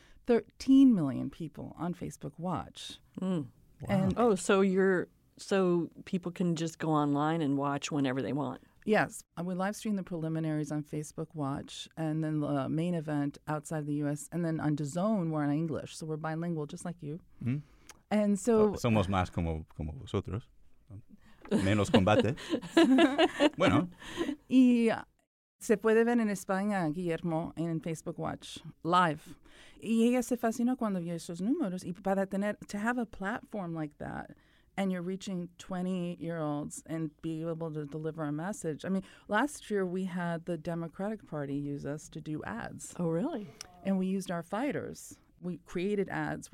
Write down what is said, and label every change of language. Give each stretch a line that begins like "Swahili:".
English: 13 million people on Facebook Watch. Mm. Wow. And so people can just go online and watch whenever they want. Yes, we live stream the preliminaries on Facebook Watch, and then the main event outside the U.S. and then on DAZN we're in English, so we're bilingual, just like you. Mm-hmm. And so
Spanish: somos más como vosotros, menos combate. Bueno, y se puede ver en España, Guillermo, en Facebook Watch live. Y ella se fascinó cuando vio esos números. Y para tener,
English: to have a platform like that, and you're reaching 20-year-olds and be able to deliver a message. I mean, last year we had the Democratic Party use us to do ads. Oh, really? And we used our fighters. We created ads.